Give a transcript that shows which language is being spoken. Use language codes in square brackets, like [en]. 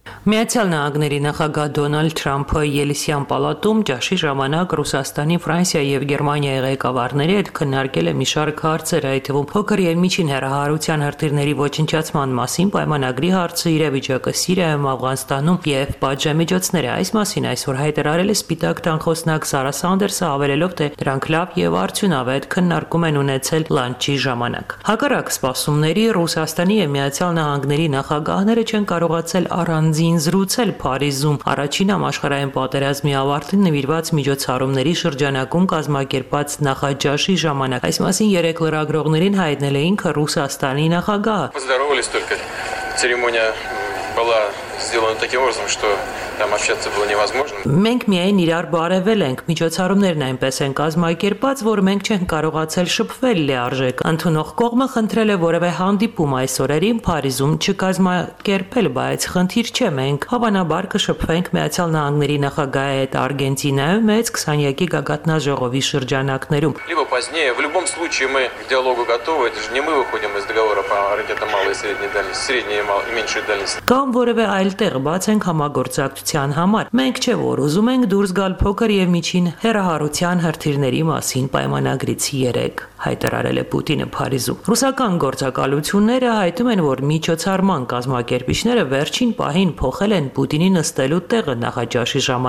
[hy] Միացյալ Նահանգների նախագահ Դոնալդ Թրամփը Ելիսյան պալատում ճաշի ժամանակ Ռուսաստանի, Ֆրանսիայի և Գերմանիայի ղեկավարների հետ քննարկել է մի շարք հարցեր, այդ թվում փոքր երկմիջին հեռահարության հրթիռների ոչնչացման մասին, պայմանագրի հարցը, իրավիճակը Սիրիայում, Աֆղանստանում և պատժամիջոցները։ Այս մասին այսօր հայտարարել է Սպիտակ տան խոսնակ Սարա Սանդերսը, ավելելով, թե դրանք լավ և արդյունավետ քննարկում են ունեցել լանչի ժամանակ։ Հակառակ սպասումների Ռուսաստանի և Միացյալ Նահանգների նախագահները չեն կարողացել անձին զրուցել Փարիզում։ Առաջին համաշխարհային պատերազմի ավարտին նվիրված միջոցառումների շրջանակում կազմակերպած նախաճաշի ժամանակ այս մասին երեք լրագրողներին հայտնել է ինքը Ռուսաստանի նախագահը։ [ru] Поздоровались только. Церемония была сделана таким образом, что там общаться было невозможно. [hy] Մենք միայն իրար բարևել ենք, միջոցառումներն այնպես են կազմակերպված, որ մենք չենք կարողացել շփվել լիարժեք։ Ընդունող կողմը խնդրել է որևէ հանդիպում այս օրերին Փարիզում չկազմակերպել, բայց խնդիր չէ, մենք հավանաբար կշփվենք Միացյալ Նահանգների նախագահի հետ Արգենտինայում մեծ 22-ի գագաթնաժողովի շրջանակներում։ [ru] Либо позднее, в любом случае мы к диалогу готовы, это же не мы выходим из договора по ракетам малой и средней дальности, средней и меньшей дальности. [hy] Կամ որևէ այլ տեղ բաց ենք համագործակցության համար։ Մենք չէ որ ուզում ենք դուրս գալ փոքր եւ միջին հեռահարության հրթիռների մասին պայմանագրից 3, հայտարարել է Պուտինը Փարիզում։ Ռուսական գործակալությունները հայտում են, որ միջոցառման կազմակերպիչները վերջին պահին փոխել են Պուտինի նստելու տեղը նախաճաշի